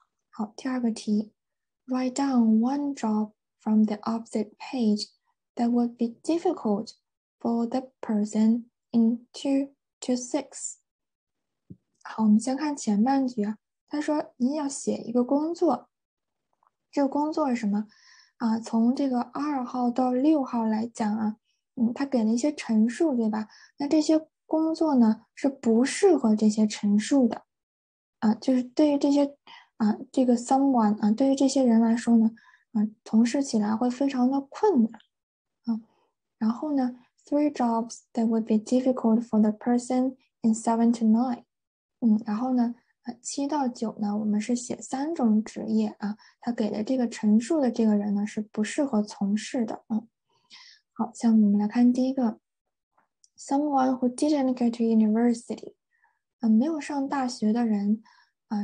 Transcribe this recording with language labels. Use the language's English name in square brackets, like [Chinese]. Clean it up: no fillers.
[Chinese] 好，第二个题， [English] write down one job from the opposite page。That would be difficult for the person in two to six。 [Chinese] 好，我们先看前半句啊。他说你要写一个工作，这个工作是什么？啊，从这个2号到6号来讲啊，他给了一些陈述，对吧？那这些工作呢，是不适合这些陈述的。啊，就是对于这些啊，这个 someone 啊，对于这些人来说呢，从事起来会非常的困难。然后呢， [English] three jobs that would be difficult for the person in 7 to 9。 [Chinese] 然后呢，7到9呢，我们是写三种职业啊。他给的这个陈述的这个人呢，是不适合从事的。好，下面我们来看第一个， [English] someone who didn't get to university， [Chinese] 没有上大学的人啊。